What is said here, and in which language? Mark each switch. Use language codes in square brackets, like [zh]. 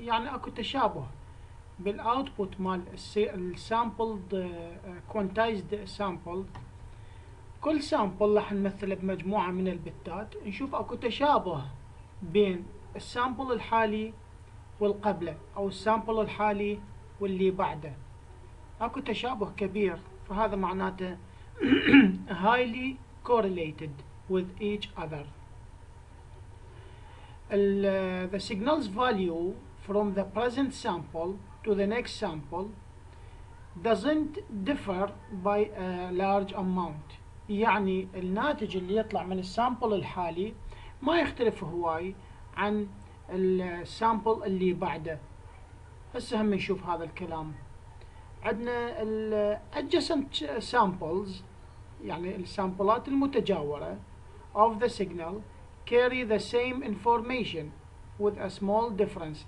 [ar] يعني اكو تشابه بالاوتبوت مال السامبل، كوانتايزد سامبل، كل سامبل راح نمثله بمجموعه من البتات، نشوف اكو تشابه بين السامبل الحالي والقبله، او السامبل الحالي واللي بعده، اكو تشابه كبير، فهذا معناته [en] highly correlated with each other. The signal's value from the present sample to the next sample doesn't differ by a large amount. [ar] يعني الناتج اللي يطلع من السامبل الحالي ما يختلف هواي عن السامبل اللي بعده. هسه هم نشوف هذا الكلام. عندنا الـ adjacent samples، يعني السامبلات المتجاورة [en] of the signal carry the same information with a small difference.